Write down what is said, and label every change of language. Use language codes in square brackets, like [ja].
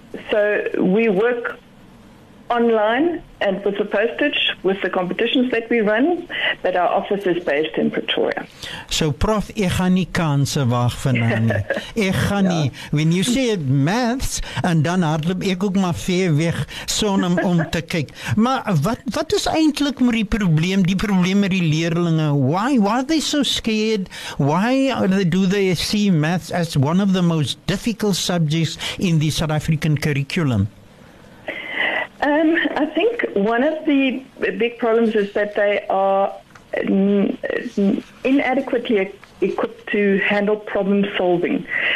[en] So we work online and with the postage, with the competitions that we run, but our office is based in Pretoria. [af] So, Prof, ek gaan nie kanse waag vir nou nie. Ek gaan nie. [en] When you say maths, and [af] dan hardloop ek ook maar ver weg sonom om te kyk. Maar wat is eintlik met die probleem, met die leerlinge? [en] Why are they so scared? Why do they see maths as one of the most difficult subjects in the South African curriculum? I think one of the big problems is that they are inadequately equipped to handle problem solving.